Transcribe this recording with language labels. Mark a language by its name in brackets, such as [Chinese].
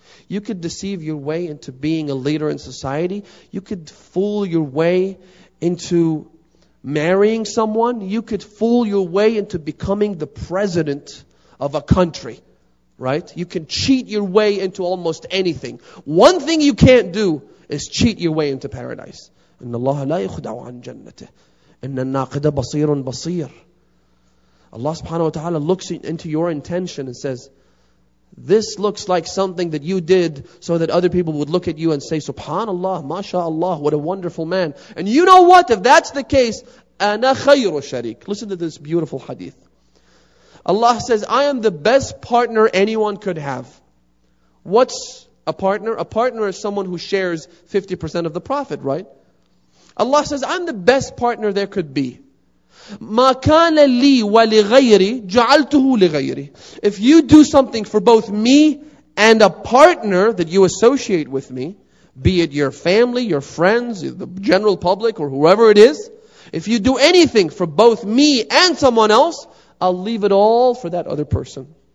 [English] You could deceive your way into being a leader in society. You could fool your way into marrying someone. You could fool your way into becoming the president of a country. Right? You can cheat your way into almost anything. One thing you can't do is cheat your way into paradise. [Arabic] إن الله لا يخدع عن جنته إن الناقد بصير بصير. [English] Allah subhanahu wa ta'ala looks into your intention and says, this looks like something that you did so that other people would look at you and say, Subhanallah, mashaAllah, what a wonderful man. And you know what? If that's the case, [Arabic] أَنَا خَيْرُ شَرِيكٍ. [English] Listen to this beautiful hadith. Allah says, I am the best partner anyone could have. What's a partner? A partner is someone who shares 50% of the profit, right? Allah says, I'm the best partner there could be. [Arabic] مَا كَانَ لِي وَلِغَيْرِي جَعَلْتُهُ لِغَيْرِي. [English] If you do something for both me and a partner that you associate with me, be it your family, your friends, the general public, or whoever it is, if you do anything for both me and someone else, I'll leave it all for that other person.